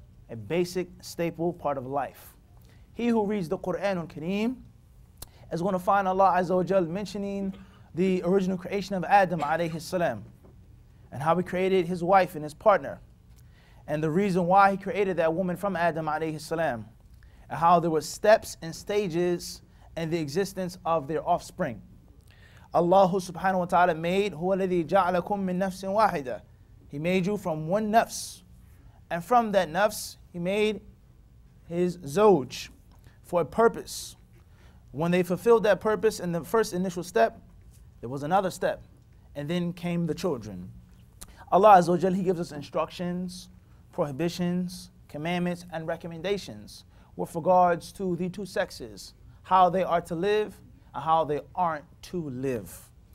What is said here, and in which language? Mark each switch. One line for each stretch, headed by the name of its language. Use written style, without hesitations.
English: A basic staple part of life. He who reads the Quran al-Kareem is going to find Allah Azza wa Jal mentioning the original creation of Adam alayhi salam and how he created his wife and his partner and the reason why he created that woman from Adam alayhi salam and how there were steps and stages in the existence of their offspring. Allah subhanahu wa ta'ala made
Arabic: هو الذي جعلكم من نفس واحدة.
English: He made you from one nafs, and from that nafs he made his zawj for a purpose. When they fulfilled that purpose in the first initial step, there was another step, and then came the children. Allah Azza wa Jal, He gives us instructions, prohibitions, commandments, and recommendations with regards to the two sexes, how they are to live and how they aren't to live.